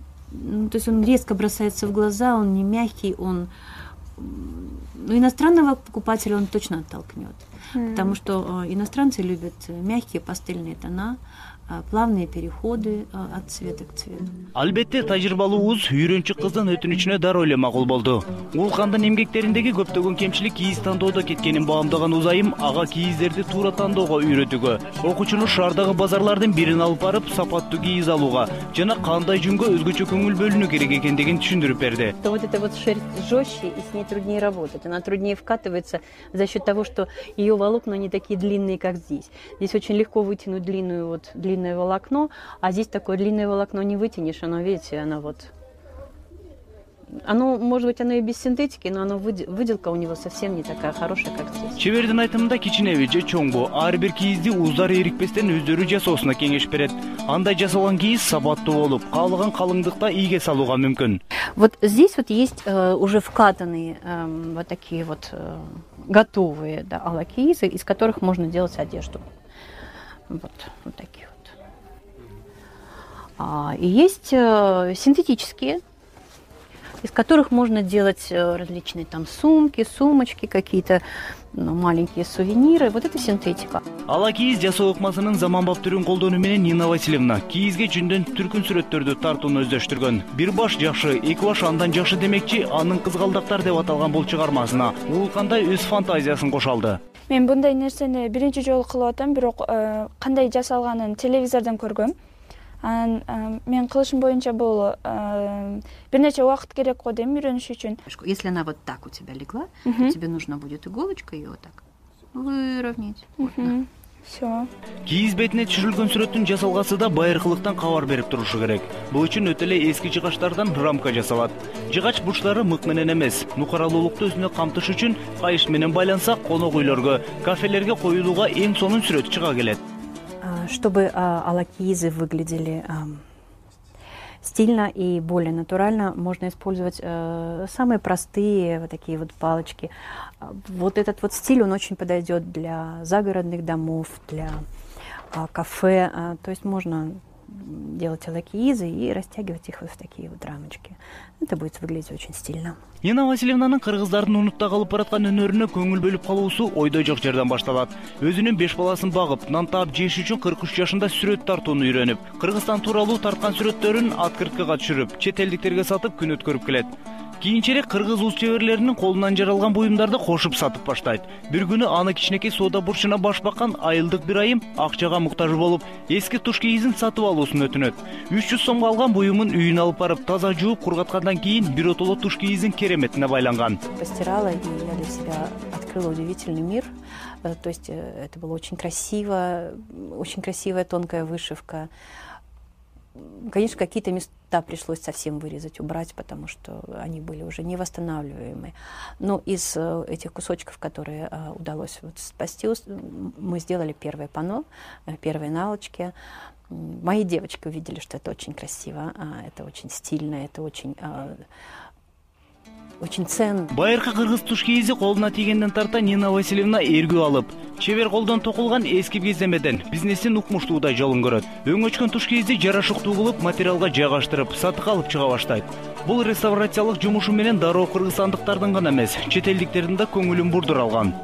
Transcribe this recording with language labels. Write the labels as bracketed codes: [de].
[ru] Ну, то есть он резко бросается в глаза, он не мягкий, он... Ну, иностранного покупателя он точно оттолкнет, потому что иностранцы любят мягкие пастельные тона, плавные переходы от цвета к цвету. [ky] Албетте, тажырбалуу уз үйрөнчү кыздын өтүнүчүнө дароо эле макул болду. Уулкандын эмгектериндеги көптөгөн кемчилик кийиз тандоодо кеткенин баамдаган узайым ага кийиздерди туура тандоого үйрөтүүгө, окуучуну шаардагы базарлардын бирин алып барып сапаттуу кийиз алууга жана кандай жүнгө өзгөчө көңүл бөлүнүү керек экендигин түшүндүрүп берди. [ru] Вот эта вот шерсть жестче и с ней труднее работать. Она труднее вкатывается за счет того, что ее волокна не такие длинные, как здесь. Здесь очень легко вытянуть длинную вот длинное волокно, а здесь такое длинное волокно не вытянешь, оно, видите, оно вот... Оно, может быть, оно и без синтетики, но оно выделка у него совсем не такая хорошая, как здесь. [ky] Чевердин айтымында кичинеби же чоңбу, ар бир кийизди уздары эрикпестен өздөрү жасоосуна кеңеш берет. Андай жасалган кийиз сапаттуу болуп, каалаган калыңдыкта ийге салууга мүмкүн. [ru] Вот здесь вот есть уже вкатанные вот такие вот готовые, да, ала кийизы, из которых можно делать одежду. Вот, вот такие вот. И есть синтетические, из которых можно делать различные там сумки, сумочки, какие-то маленькие сувениры. Вот это синтетика. [ky] Ала кийиз жасоок масынын заманбап түрүн колдонуу менен Нина Васильевна кийизге жүндөн түркүн сүрөттөрдү тартууну өздөштүргөн. Бир баш жакшы, эки баш андан жакшы демекчи, анын кызгалдактар деп аталган бул чыгармасына ул кандай өз фантазиясын кошалды. Мен бундай нерсени биринчи жолу кылып атам, бирок кандай жасалганын телевизордон көргөм. Анан мен кылышым боюнча бул бир нече убакыт керек го дейм үйрөнүш үчүн. [ru] Если она вот так у тебя легла, то тебе нужно будет иголочкой её так выровнять. Все. [ky] Кийиз бетине түшүрүлгөн сүрөттүн жасалгасы да байыркылыктан кабар берип турушу керек. Бул үчүн өтө эле эски жыгачтардан рамка жасалат. Жыгач бурчтары мык менен эмес. Нукаралуулукту өзүнө камтыш үчүн кайыш менен байланса конок үйлөргө, кафелерге коюлууга эң сонун сүрөт чыга келет. [ru] Чтобы алакиизы выглядели стильно и более натурально, можно использовать самые простые вот такие вот палочки. Вот этот вот стиль, он очень подойдет для загородных домов, для кафе. То есть можно делать алакиизы и растягивать их вот в такие вот рамочки. Это будет выглядеть очень стильно. [ky] Нина Васильевнанын кыргыздардын унутта калып бараткан өнөрүнө көңүл бөлүп калуусу ойдо жок жерден башталат. Өзүнүн беш баласын багып, нан таап жеш үчүн 43 жашында сүрөт тартууну үйрөнүп, Кыргызстан тууралуу тарткан сүрөттөрүн открыткага түшүрүп, чет элдиктерге сатып күн өткөрүп келет. Кийинчерээк кыргыз уз чеберлеринин колунан жаралган буюмдарды кошуп сатып баштайт. Бир күнү аны кичинекей соода бурчуна баш баккан айылдык бир айым акчага муктаж болуп, эски туш кийизин сатып алуусун өтүнөт. 300 сомго алган буюмун үйүнө алып барып, таза жууп кургаткандан кийин биротоло туш кийизин кереметине байланган. [ru] Постирала и я для себя открыла удивительный мир. То есть это было очень красивая тонкая вышивка. Конечно, какие-то места пришлось совсем вырезать, убрать, потому что они были уже невосстанавливаемые. Но из этих кусочков, которые удалось вот спасти, мы сделали первое панно, первые наволочки. Мои девочки увидели, что это очень красиво, это очень стильно, это очень... Очень цен. [ky] Байыркы кыргыз туш кийизи колуна тийгенден тарта Нина Васильевна эргүү алып, чевер колдон токулган эски кездемеден бизнесин укмуштуу да жолун көрөт. Өңөчкөн туш кийизди жарашыктуу кылып, материалга жайгаштырып, сатып алып чыга баштайт. Бул реставрациялык жумушу менен дароо кыргызстандыктардын гана эмес, чет элдиктердин да көңүлүн бурдура алган.